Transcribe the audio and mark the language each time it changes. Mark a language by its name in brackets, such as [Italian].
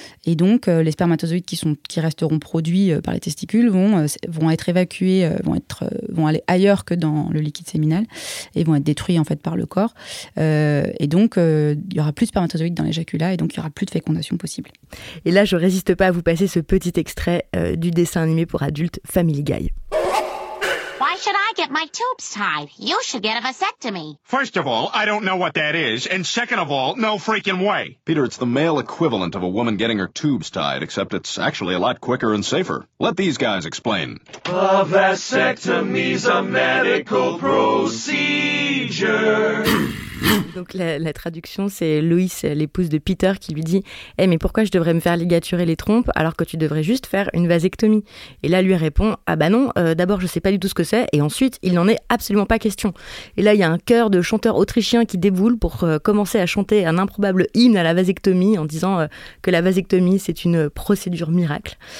[French] Et donc les spermatozoïdes qui resteront produits par les testicules vont être évacués, vont aller ailleurs que dans le liquide séminal et vont être détruits en fait par le corps. Et donc il n'y aura plus de spermatozoïdes dans l'éjaculat et donc il n'y aura plus de fécondation possible. Et là, je résiste pas à vous passer ce petit extrait du dessin animé pour adultes Family Guy. [English] Why should I get my tubes tied? You should get a vasectomy. First of all, I don't know what that is, and second of all, no freaking way. Peter, it's the male equivalent of a woman getting her tubes tied, except it's actually a lot quicker and safer. Let these guys explain. A vasectomy's a medical procedure. [French] Donc la traduction, c'est Loïs, l'épouse de Peter, qui lui dit « Eh, mais pourquoi je devrais me faire ligaturer les trompes alors que tu devrais juste faire une vasectomie ?» Et là, lui répond « Ah bah non, d'abord je sais pas du tout ce que c'est, et ensuite, il n'en est absolument pas question. » Et là, il y a un chœur de chanteurs autrichiens qui déboule pour commencer à chanter un improbable hymne à la vasectomie en disant que la vasectomie, c'est une procédure miracle.